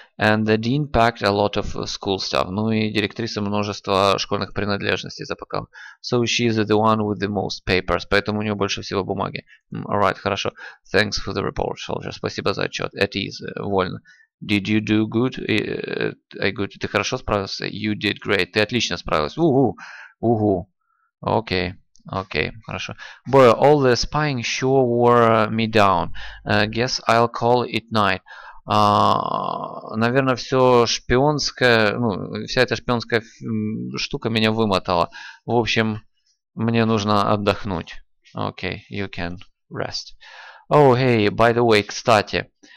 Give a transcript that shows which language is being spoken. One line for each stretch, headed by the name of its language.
English: And the dean packed a lot of school stuff.
Russian: Ну и директриса множества школьных принадлежностей запаковала.
English: So she is the one with the most papers.
Russian: Поэтому у нее больше всего бумаги.
English: Alright, хорошо. Thanks for the report, soldier.
Russian: Спасибо за отчет.
English: At ease.
Russian: Вольно.
English: Did you do good?
Russian: Ты хорошо справился?
English: You did great.
Russian: Ты отлично справилась. Окей. Окей. Хорошо.
English: Boy, all the spying sure wore me down. Guess I'll call it night.
Russian: Наверное, все шпионское, ну, вся эта шпионская штука меня вымотала. В общем, мне нужно отдохнуть.
English: Окей. You can rest. Oh, hey, by the way, кстати.